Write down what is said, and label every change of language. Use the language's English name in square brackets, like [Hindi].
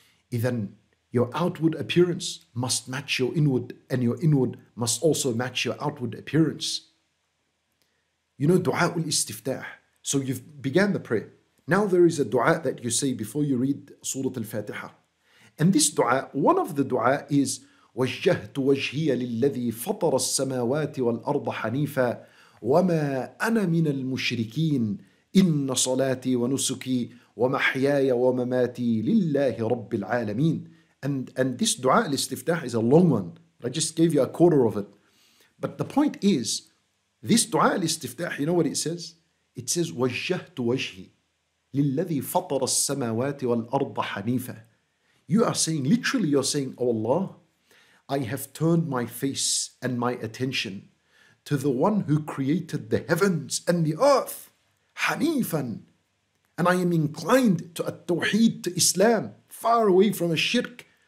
[English] Then your outward appearance must match your inward, and your inward must also match your outward appearance. You know, dua al-istiftah. So you've began the prayer. Now there is a dua that you say before you read Surah Al-Fatiha. And this dua, one of the dua is [Arabic] وَجَّهْتُ وَجْهِيَ لِلَّذِي فَطَرَ السَّمَاوَاتِ وَالْأَرْضَ حَنِيفًا وَمَا أَنَا مِنَ الْمُشْرِكِينَ إِنَّ صَلَاتِي وَنُسُكِي وَمَحْيَايَ وَمَمَاتِي لِلَّهِ رَبِّ الْعَالَمِينَ. [English] And this dua al-istiftah is a long one. I just gave you a quarter of it. But the point is, this dua al-istiftah, you know what it says? It says [Arabic] وَجَّهْتُ وَجْهِي لِلَّذِي فَطَرَ السَّمَاوَاتِ وَالْأَرْضَ حَنِيفًا. [English] You are saying, literally you're saying, oh Allah, I have turned my face and my attention to the one who created the heavens and the earth, Hanifan. And I am inclined to at-tawheed, to Islam, far away from a shirk.